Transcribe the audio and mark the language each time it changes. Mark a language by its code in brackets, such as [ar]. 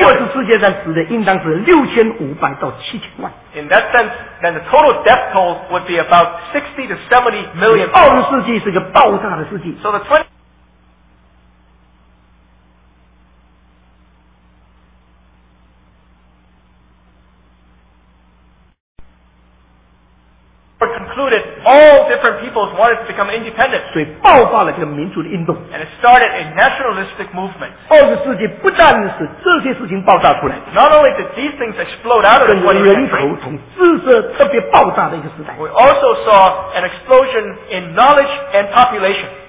[zh] 第二次世界大战死的应当是6500到7000万。 [en] In that sense, then the total death toll would be about 60 to 70 million. [zh] 二十世纪是个爆炸的世纪。 [en] So the 20th century concluded all different peoples wanted to become independent. [zh] 所以爆发了这个民族的运动。 [en] And it started a nationalistic movement. [zh] 二十世纪不但是这些事情爆炸出来。 [en] Not only did these things explode out of the 20th century. [zh] 人口从知识特别爆炸的一个时代。 [en] We also saw an explosion in knowledge and population.